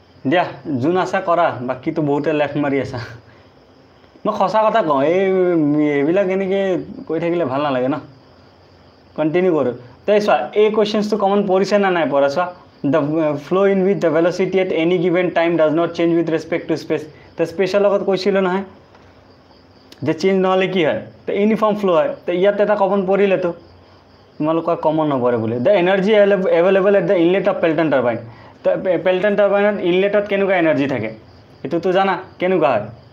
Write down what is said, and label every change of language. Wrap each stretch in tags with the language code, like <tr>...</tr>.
<as>দিয়া যোন আছা কৰা, বাকীতো বহুতে লেফ্ট মাৰি আছা। মই সঁচা কথা কওঁ, এইবিলাক এনেকৈ কৈ থাকিলে ভাল নালাগে ন, কণ্টিনিউ কৰোঁ। তাই চোৱা, এই কুৱেশ্যনটো কমন পৰিছে না নাই পৰা চোৱা।</as> <en>The flow' in with the velocity at any given time does not change with respect to space.</en> <as>তো স্পেচৰ লগত কৈছিলোঁ নহয় যে চেঞ্জ নহ'লে কি হয়, তো ইউনিফৰ্ম ফ্ল' হয়। তো ইয়াত এটা কমন পৰিলেতো তোমালোকৰ কমন নপৰে বুলি।</as> <en>The energy available at the inlet of Pelton turbine.</en> <as>তো পেল্টন টাৰ্বাইনত ইনলেটত কেনেকুৱা এনাৰ্জি থাকে এইটোতো জানা কেনেকুৱা হয়।</as>